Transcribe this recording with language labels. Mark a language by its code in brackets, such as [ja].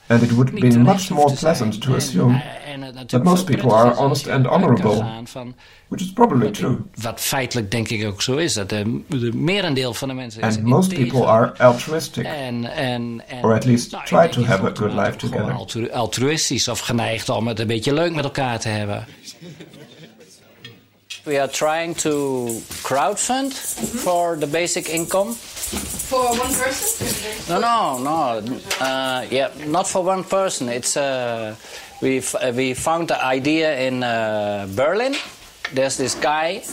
[en] And it would be much more pleasant to assume that most people are honest and honorable, which is probably true. And most people are altruistic, or at least try to have a good life together. [nl] Altruistisch of geneigd om het een beetje leuk met elkaar te hebben. [en] We are trying to crowdfund for the basic income. For one person? No, no, no. Yeah, not for one person. It's we found the idea in Berlin. There's this guy.